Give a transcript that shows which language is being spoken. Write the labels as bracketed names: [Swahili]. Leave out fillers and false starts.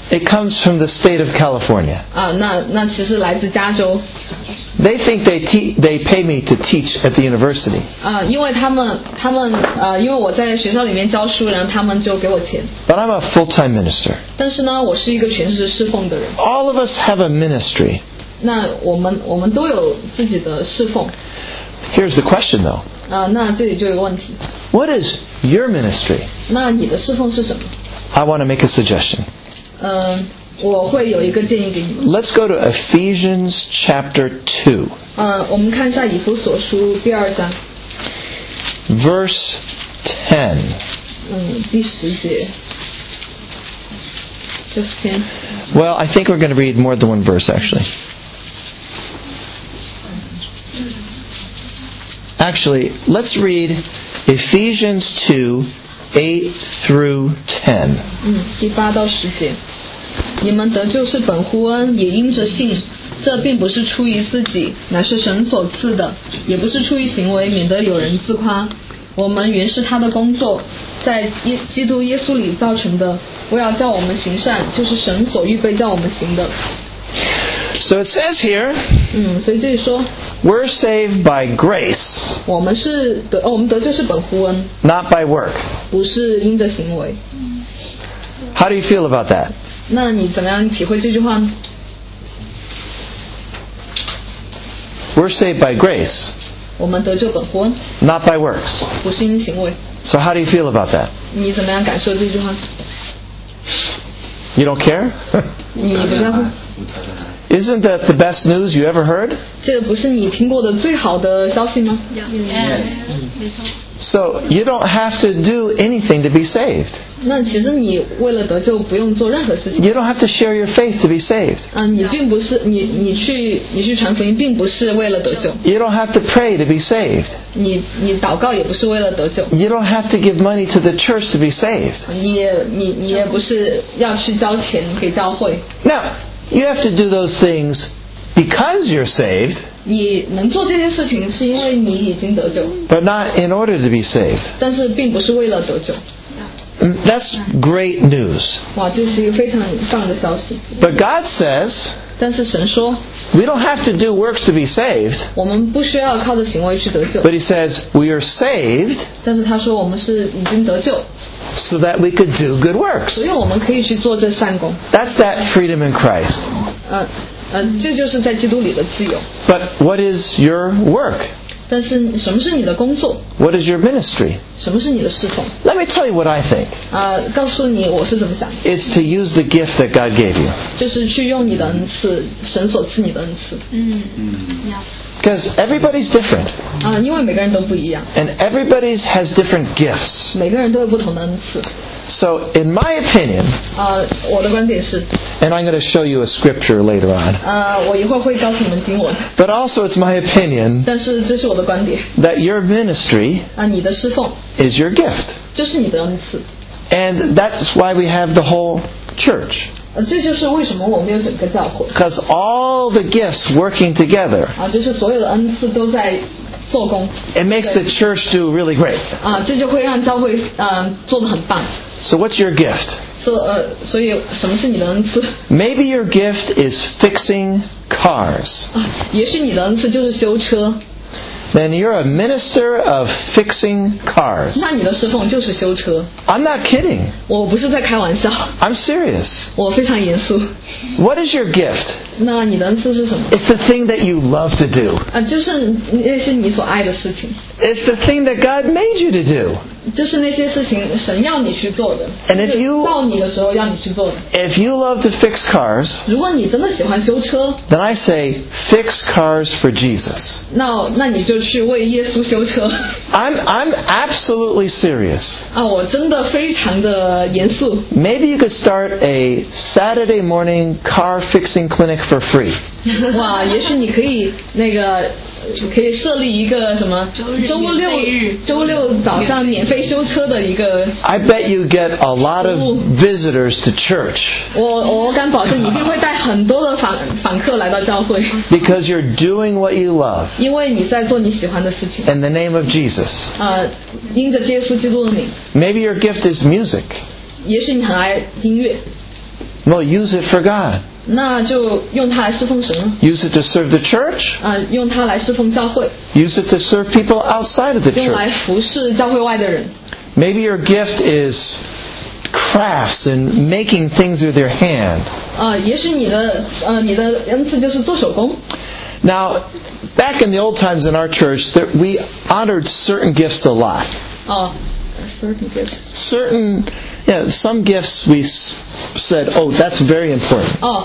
[English] It comes from the state of California. [Chinese] 那其实来自加州。 [English] They think they pay me to teach at the university. [Chinese] 因为他们因为我在学校里面教书，然后他们就给我钱。 [English] But I'm a full-time minister. [Chinese] 但是呢，我是一个全职侍奉的人。 [English] All of us have a ministry. [Chinese] 那我们都有自己的侍奉。 [English] Here's the question, though. [Chinese] 那这里就有问题。 [English] What is your ministry? [Chinese] 那你的侍奉是什么？ [English] I want to make a suggestion. [Chinese] 我会有一个建议给你们。 [English] Let's go to Ephesians chapter 2. [Chinese] 我们看一下以弗所书第二章。 [English] Verse 10. [Chinese] 第十节。 [English] Just 10. Well, I think we're going to read more than one verse, actually. Actually, let's read Ephesians 2, 8 through 10. [Chinese] 第八到十节。你们得救是本乎恩，也因着信。这并不是出于自己，乃是神所赐的，也不是出于行为，免得有人自夸。我们原是他的工作，在基督耶稣里造成的，为要叫我们行善，就是神所预备叫我们行的。 [English] So it says here, [Chinese] 所以这里说。 [English] We're saved by grace. [Chinese] 我们得救是本乎恩, [English] not by work. [Chinese] 不是因着行为。 [English] How do you feel about that? [Chinese] 那你怎么样体会这句话呢? [English] We're saved by grace. [Chinese] 我们得救本乎恩, [English] not by works. [Chinese] 不是因行为。 [English] So how do you feel about that? [Chinese] 你怎么样感受这句话? [English] You don't care? [Chinese] 你不在乎? [English] Isn't that the best news you ever heard? [Chinese] 这不是你听过的最好的消息吗? [English] Yes. So you don't have to do anything to be saved. [Chinese] 那其实你为了得救不用做任何事情。 [English] You don't have to share your faith to be saved. [Chinese] 你去传福音并不是为了得救。 [English] You don't have to pray to be saved. [Chinese] 你祷告也不是为了得救。 [English] You don't have to give money to the church to be saved. [Chinese] 你也不是要去交钱给教会。 [English] Now, you have to do those things because you're saved. [Chinese] 你能做这些事情是因为你已经得救。 [English] But not in order to be saved. [Chinese] 但是并不是为了得救。 [English] That's great news. [Chinese] 哇，这是一个非常棒的消息。 [English] But God says, [Chinese] 但是神说, [English] we don't have to do works to be saved. [Chinese] 我们不需要靠着行为去得救。 [English] But he says, we are saved. [Chinese] 但是他说我们是已经得救。 [English] So that we could do good works. [Chinese] 所以我们可以去做这善功。 [English] That's that freedom in Christ. [Chinese] 这就是在基督里的自由。 [English] But what is your work? [Chinese] 但是什么是你的工作? [English] What is your ministry? [Chinese] 什么是你的侍奉? [English] Let me tell you what I think. [Chinese] 告诉你我是怎么想。 [English] It's to use the gift that God gave you. [Chinese] 就是去用你的恩赐, 神所赐你的恩赐。 [English] Because everybody's different. [Chinese] 因为每个人都不一样。 [English] And everybody has different gifts. [Chinese] 每个人都有不同的恩赐。 [English] So in my opinion, [Chinese] 我的观点是, [English] and I'm going to show you a scripture later on, [Chinese] 我一会会告诉你们经文, [English] but also it's my opinion [Chinese] 但是这是我的观点, [English] that your ministry [Chinese] 你的侍奉, [English] is your gift. [Chinese] 就是你的恩赐。 [English] And that's why we have the whole church. [Chinese] 这就是为什么我们有整个教会。 [English] Because all the gifts working together, [Chinese] 就是所有的恩赐都在, [English] it makes the church do really great. [Chinese] 这就会让教会, 做得很棒。 [English] So what's your gift? [Chinese] So, 所以什么是你的恩赐? [English] Maybe your gift is fixing cars. [Chinese] 也许你的恩赐就是修车。 [English] Then you're a minister of fixing cars. [Chinese] 那你的侍奉就是修车。 [English] I'm not kidding. [Chinese] 我不是在开玩笑。 [English] I'm serious. [Chinese] 我非常严肃。 [English] What is your gift? [Chinese] 那你的恩赐是什么? [English] It's the thing that you love to do. [Chinese] 就是那些你所爱的事情。 [English] It's the thing that God made you to do. [Chinese] 就是那些事情神要你去做的。 [English] And if you, [Chinese] 到你的时候要你去做的。 [English] If you love to fix cars, [Chinese] 如果你真的喜欢修车, [English] then I say, fix cars for Jesus. [Chinese] 那你就去为耶稣修车。 [English] I'm absolutely serious. [Chinese] 我真的非常的严肃。 [English] Maybe you could start a Saturday morning car fixing clinic for free. [Chinese] 哇，也许你可以那个。可以设立一个什么周六早上免费修车的一个。 [English] I bet you get a lot of visitors to church. [Chinese] 我敢保证你一定会带很多的访客来到教会。 [English] Because you're doing what you love. [Chinese] 因为你在做你喜欢的事情。 [English] In the name of Jesus. [Chinese] 因着耶稣基督的名。 [English] Maybe your gift is music. [Chinese] 也许你很爱音乐。 [English] Well, use it for God. [Chinese] 那就用它来侍奉神。 [English] Use it to serve the church. [Chinese] 用它来侍奉教会。 [English] Use it to serve people outside of the church. [Chinese] 用来服侍教会外的人。 [English] Maybe your gift is crafts and making things with your hand. [Chinese] 也许你的恩赐就是做手工。 [English] Now, back in the old times in our church, that we honored certain gifts a lot. Certain gifts. Certain, yeah, some gifts we said, oh, that's very important.